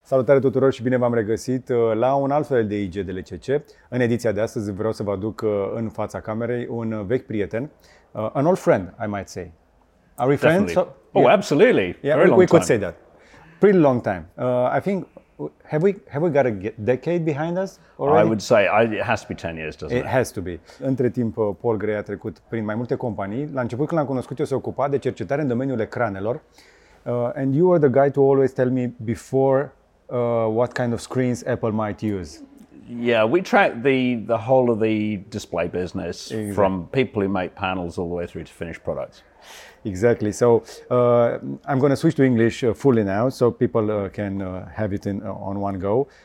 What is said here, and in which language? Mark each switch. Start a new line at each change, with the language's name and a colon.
Romanian: Salutare tuturor și bine v-am regăsit la un alt fel de IG de LCC. În ediția de astăzi vreau să vă aduc în fața camerei un vechi prieten,
English: an old friend, I might say. Are we friends? So, yeah. Oh, absolutely. Yeah, very long we Could say that. Pretty long time. I think have we got a decade behind us already? I would say it has to be 10 years, doesn't it? It has to be.
Romanian: Între timp Paul Gray a trecut prin mai multe companii. La început când l-am cunoscut, eu se ocupa de cercetare în domeniul ecranelor.
English: And you were the guy to always tell me before what kind of screens Apple might use. Yeah, we track the whole of the display business exactly. From people who make panels all the way through to finished products. Exactly. So I'm going to switch to English fully now so people can have it in on one go.